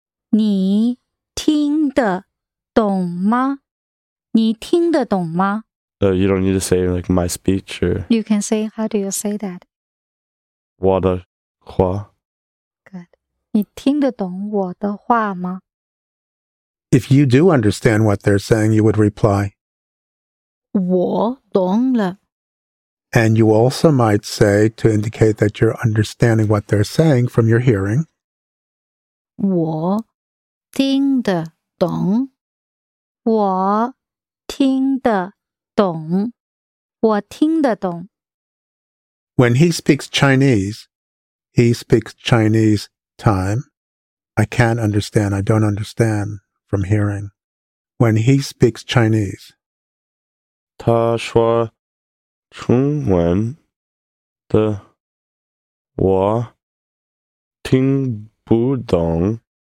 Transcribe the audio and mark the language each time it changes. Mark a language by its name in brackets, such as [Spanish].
[Chinese] 你听得懂吗你听得懂吗 [English] You don't need to say like my speech or... You can say, how do you say that? [Chinese] 我的话 [English] Good. [Chinese] 你听得懂我的话吗 [English] If you do understand what they're saying, you would reply, [Chinese] 我懂了 [English] And you also might say, to indicate that you're understanding what they're saying from your hearing, [Chinese] 我听得懂我听得懂我听得懂 [English] When he speaks Chinese, he speaks Chinese time. I can't understand, I don't understand from hearing. When he speaks Chinese, [Chinese] 他说中文的我听不懂